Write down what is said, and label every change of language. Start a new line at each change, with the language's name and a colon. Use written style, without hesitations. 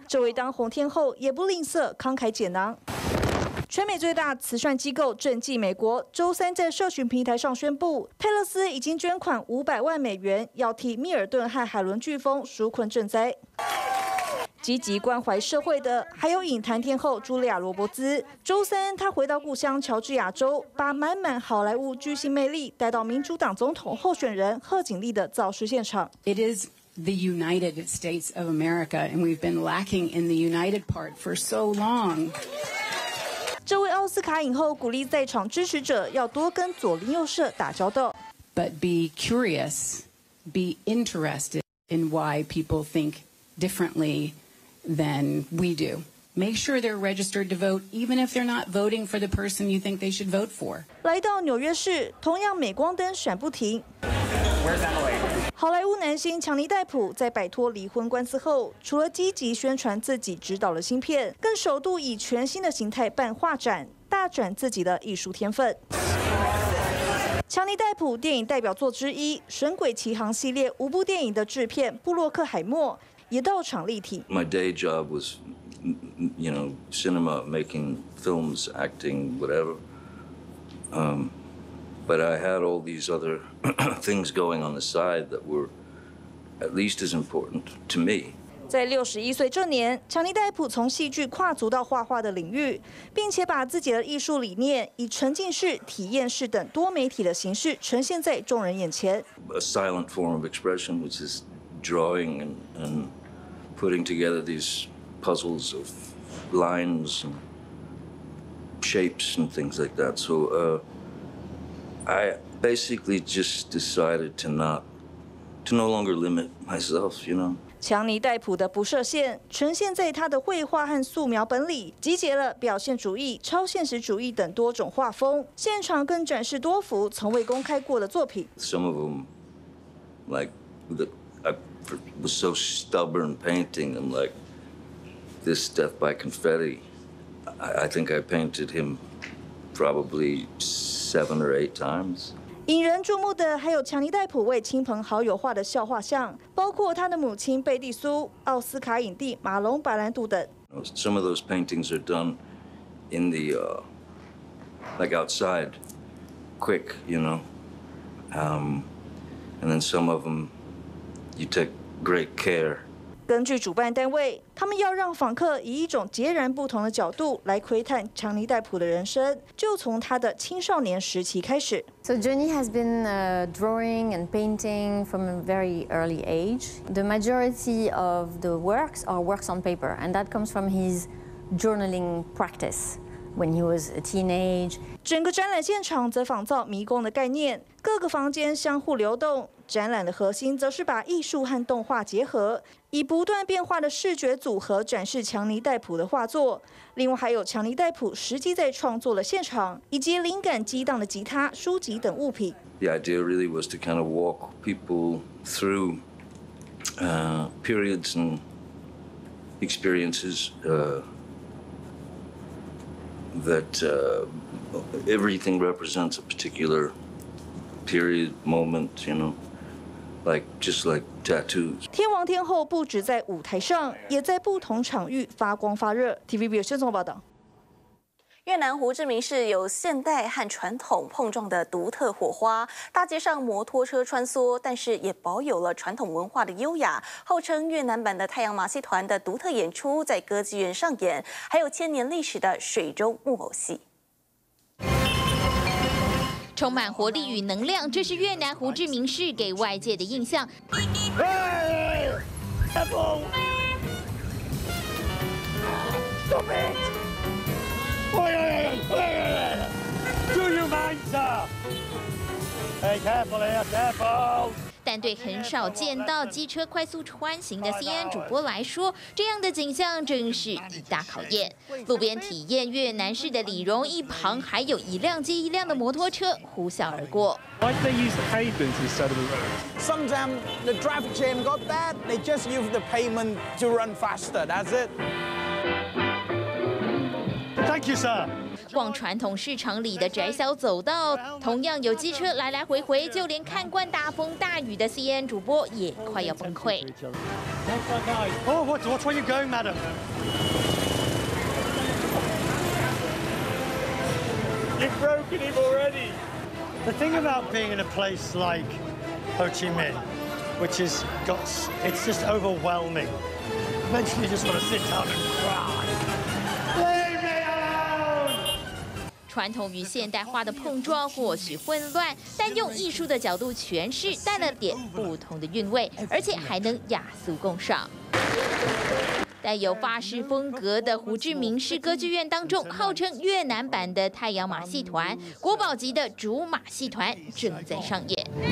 Chinese: 这位当红天后也不吝啬慷慨解囊。全美最大慈善机构赈济美国周三在社群平台上宣布，泰勒斯已经捐款$500万，要替密尔顿和海伦飓风纾困赈灾。积极关怀社会的还有影坛天后茱莉亚·罗伯兹。周三，她回到故乡乔治亚州，把满满好莱坞巨星魅力带到民主党总统候选人贺锦丽的造势现场。
English: It is the United States of America, and we've been lacking in the united part for so long.
Chinese: 这位奥斯卡影后鼓励在场支持者要多跟左邻右舍打交道。
English: But be curious, be interested in why people think. differently than we do. Make sure they're registered to vote, even if they're not voting for the person you think they should vote for.
Chinese: 来到纽约市，同样镁光灯闪不停。
English: Where's Emily?
Chinese: 好莱坞男星强尼戴普在摆脱离婚官司后，除了积极宣传自己执导了新片，更首度以全新的形态办画展，大展自己的艺术天分。强尼戴普电影代表作之一《神鬼奇航》系列五部电影的制片布洛克海默也到场力挺。
English: My day job was, you know, cinema, making films, acting, whatever. But I had all these other things going on the side that were at least as important to me.
Chinese: 在61岁这年，强尼戴普从戏剧跨足到画画的领域，并且把自己的艺术理念以沉浸式、体验式等多媒体的形式呈现在众人眼前。
English: A silent form of expression, which is drawing and putting together these puzzles of lines and shapes and things like that. So, I basically just decided to no longer limit myself, you know.
Chinese: 强尼戴普的不设限呈现在他的绘画和素描本里，集结了表现主义、超现实主义等多种画风。现场更展示多幅从未公开过的作品。
English: Some of them, like the, I was so stubborn painting them, like this Death by Confetti. I think I painted him probably 7 or 8 times.
Chinese: 引人注目的还有强尼戴普为亲朋好友画的肖画像，包括他的母亲贝蒂苏、奥斯卡影帝马龙白兰度等。
English: Some of those paintings are done in the, like outside, quick, you know, and then some of them you take great care.
Chinese: 根据主办单位，他们要让访客以一种截然不同的角度来窥探强尼戴普的人生，就从他的青少年时期开始。
English: So Johnny has been drawing and painting from a very early age. The majority of the works are works on paper, and that comes from his journaling practice when he was a teenage.
Chinese: 整个展览现场则仿造迷宫的概念，各个房间相互流动。展览的核心则是把艺术和动画结合，以不断变化的视觉组合展示强尼戴普的画作。另外还有强尼戴普实际在创作的现场，以及灵感激荡的吉他、书籍等物品。
English: The idea really was to kind of walk people through periods and experiences that everything represents a particular period moment, you know. Like just like tattoos.
Chinese: 天王天后不止在舞台上，也在不同场域发光发热。 TVB 新闻综合报道。越南胡志明市有现代和传统碰撞的独特火花，大街上摩托车穿梭，但是也保有了传统文化的优雅。号称越南版的太阳马戏团的独特演出在歌剧院上演，还有千年历史的水中木偶戏。充满活力与能量，这是越南胡志明市给外界的印象。但对很少见到机车快速穿行的 CN 主播来说，这样的景象真是一大考验。路边体验越南式的礼容，一旁还有一辆接一辆的摩托车呼啸而过。
English: Why do they use the pavement instead of the road? Sometimes the traffic jam got bad, they just use the pavement to run faster. That's it. Thank you, sir.
Chinese: 逛传统市场里的窄小走道，同样有机车来来回回，就连看惯大风大雨的 CN 主播也快要崩溃。
English: Oh, what are you going, madam? You've broken him already. The thing about being in a place like Ho Chi Minh, which is got, it's just overwhelming. Eventually, you just want to sit down and cry.
Chinese: 传统与现代化的碰撞或许混乱，但用艺术的角度诠释带了点不同的韵味，而且还能雅俗共赏。带有法式风格的胡志明市歌剧院当中，号称越南版的太阳马戏团，国宝级的竹马戏团正在上演。